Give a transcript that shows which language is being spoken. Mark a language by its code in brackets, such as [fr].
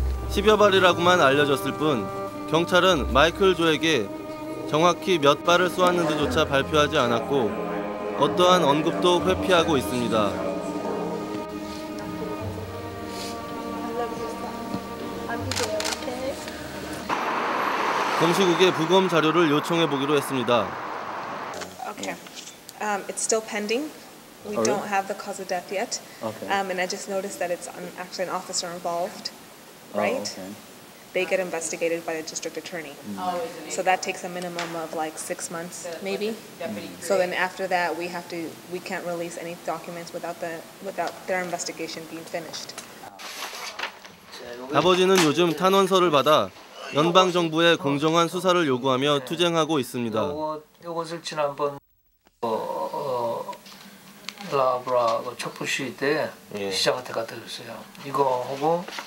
[ko] 10여 발이라고만 알려졌을 뿐 경찰은 마이클 조에게 정확히 몇 발을 쏘았는지조차 발표하지 않았고 어떠한 언급도 회피하고 있습니다. 검시국에 부검 자료를 요청해 보기로 했습니다. [en] Okay. It's still pending. We don't have the cause of death yet. Okay. And I just noticed that it's actually an officer involved, right? Oh, okay. They get investigated by the district attorney. Mm. So that takes a minimum of like 6 months, maybe. So then after that, we can't release any documents without their investigation being finished. [ko] 아버지는 요즘 탄원서를 받아 연방 정부의 공정한 수사를 요구하며 투쟁하고 있습니다. 이것을 지난번 라브라 촛불 시위 때 시장한테 갖다 줬어요. 이거 하고.